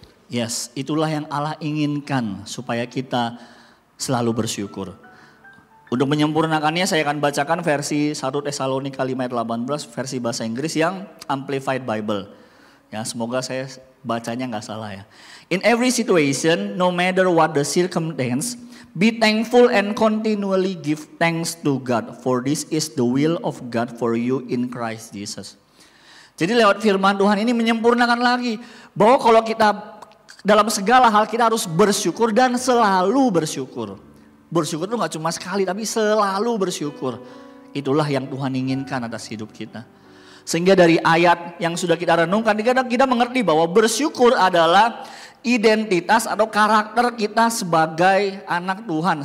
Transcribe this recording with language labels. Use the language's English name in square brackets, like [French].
[Indonesian] Yes, itulah yang Allah inginkan supaya kita selalu bersyukur. Untuk menyempurnakannya saya akan bacakan versi 1 Tesalonika 5 ayat 18 versi bahasa Inggris yang Amplified Bible. Ya, semoga saya bacanya enggak salah ya. [English] In every situation, no matter what the circumstance, be thankful and continually give thanks to God, for this is the will of God for you in Christ Jesus. [Indonesian] Jadi lewat firman Tuhan ini menyempurnakan lagi bahwa kalau kita dalam segala hal kita harus bersyukur dan selalu bersyukur. Bersyukur itu gak cuma sekali, tapi selalu bersyukur. Itulah yang Tuhan inginkan atas hidup kita. Sehingga dari ayat yang sudah kita renungkan, kita mengerti bahwa bersyukur adalah identitas atau karakter kita sebagai anak Tuhan.